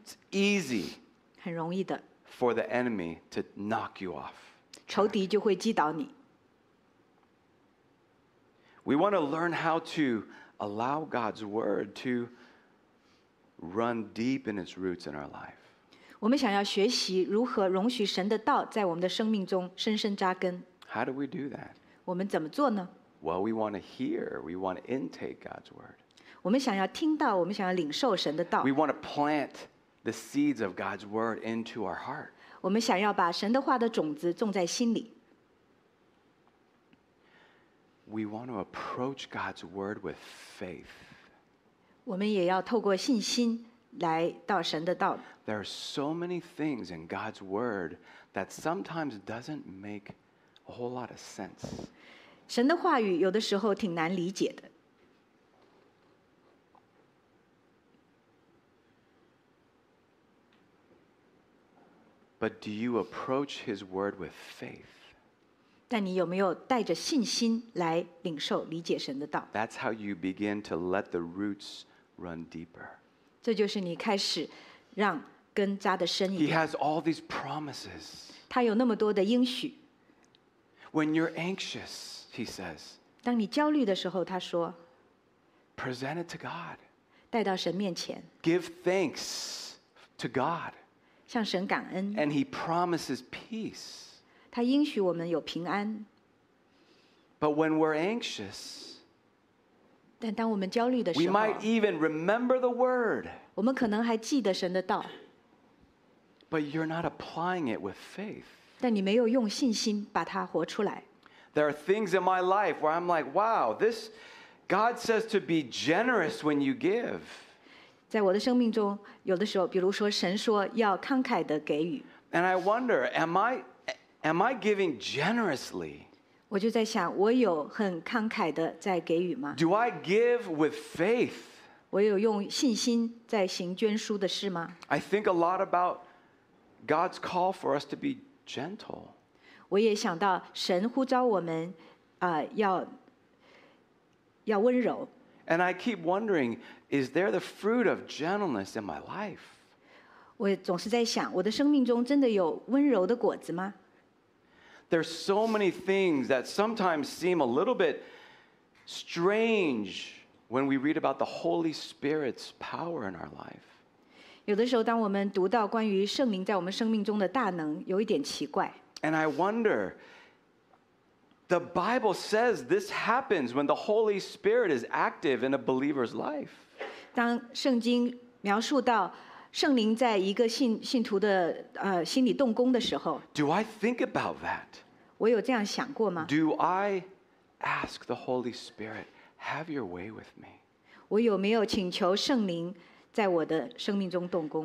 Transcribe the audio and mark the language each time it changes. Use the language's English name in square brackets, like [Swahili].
[English] it's easy for the enemy to knock you off. [Chinese] 仇敌就会击倒你。 [English] We want to learn how to allow God's word to run deep in its roots in our life. [Chinese] 我们想要学习如何容许神的道在我们的生命中深深扎根。 [English] How do we do that? [Chinese] 我们怎么做呢? [English] Well, we want to hear, we want to intake God's word. [Chinese] 我们想要听到，我们想要领受神的道。 [English] We want to plant the seeds of God's word into our heart. [Chinese] 我们想要把神的话的种子种在心里。 [English] We want to approach God's word with faith. [Chinese] 我们也要透过信心来到神的道。 [English] There are so many things in God's word that sometimes doesn't make a whole lot of sense. [Chinese] 神的话语有的时候挺难理解的。 [English] But do you approach his word with faith? [Chinese] 但你有没有带着信心来领受理解神的道? [English] That's how you begin to let the roots run deeper. [Chinese] 这就是你开始让根扎得深一点。 [English] He has all these promises. [Chinese] 他有那么多的应许。 [English] When you're anxious, he says, [Chinese] 当你焦虑的时候,他说, [English] present it to God. [Chinese] 带到神面前。 [English] Give thanks to God. [Chinese] 向神感恩。 [English] And he promises peace. [Chinese] 他应许我们有平安。 [English] But when we're anxious, [Chinese] 但当我们焦虑的时候, [English] we might even remember the word. [Chinese] 我们可能还记得神的道。 [English] But you're not applying it with faith. [Chinese] 但你没有用信心把它活出来。 [English] There are things in my life where I'm like, wow, this, God says to be generous when you give. [Chinese] 在我的生命中，有的时候，比如说，神说要慷慨地给予。 [English] And I wonder, am I giving generously? [Chinese] 我就在想，我有很慷慨地在给予吗 [English] ？Do I give with faith? [Chinese] 我有用信心在行捐书的事吗 [English] ？I think a lot about God's call for us to be gentle. [Chinese] 我也想到神呼召我们，要温柔。 [English] And I keep wondering, is there the fruit of gentleness in my life? [Chinese] 我总是在想，我的生命中真的有温柔的果子吗？ [English] There's so many things that sometimes seem a little bit strange when we read about the Holy Spirit's power in our life. [Chinese] 有的时候，当我们读到关于圣灵在我们生命中的大能，有一点奇怪。 [English] And I wonder. The Bible says this happens when the Holy Spirit is active in a believer's life. [Chinese] 当圣经描述到圣灵在一个信徒的心里动工的时候 [English] Do I think about that? [Chinese] 我有这样想过吗 [English] Do I ask the Holy Spirit, have your way with me? [Chinese] 我有没有请求圣灵在我的生命中动工